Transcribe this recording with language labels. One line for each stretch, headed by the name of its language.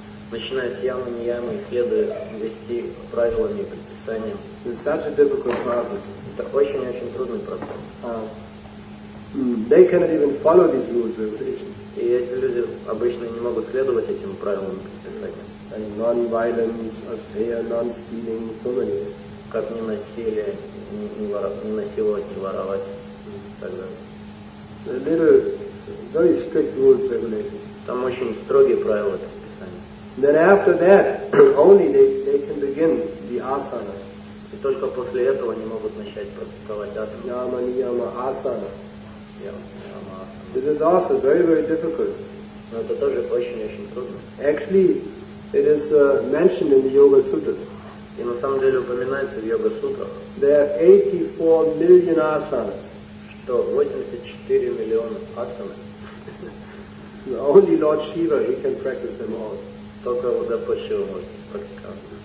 Russian: Начиная с ямы, ниямы, следуя 10 правилами и предписаниям.
English: It's such a difficult process.
Russian: Это очень-очень трудный процесс.
English: They cannot even follow these rules of regulation.
Russian: И эти люди обычно не могут следовать этим правилам предписания.
English: Non-violence, austere, non-stealing, so many.
Russian: Как не насилие, не насиловать, не воровать, так далее.
English: A little, very strict rules of regulation.
Russian: Там очень строгие правила предписания.
English: Then after that, only they can begin the asanas.
Russian: И только после этого они могут начать практиковать асаны. Яма, ньяма, асана. Яма, асана.
English: This is also very, very difficult.
Russian: Но это тоже очень-очень трудно.
English: Actually, it is mentioned in the Yoga Sutras.
Russian: И на самом деле упоминается в Йога Сутрах.
English: There are 84 million asanas.
Russian: Что, 84 миллиона асаны?
English: Only Lord Shiva, he can practice them all.
Russian: Только вот Господь Шива может практиковать.